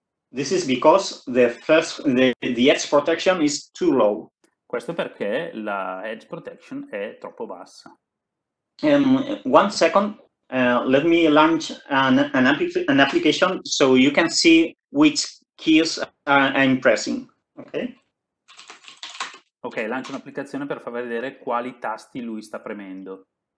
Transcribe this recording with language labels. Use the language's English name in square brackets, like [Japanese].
[English] This is because the edge protection is too low. [Italian] Questo perché la edge protection è troppo bassa. [English] One second, let me launch an application so you can see which keys I'm pressing. Okay? [Italian] Ok, lancio un'applicazione per far vedere quali tasti lui sta premendo.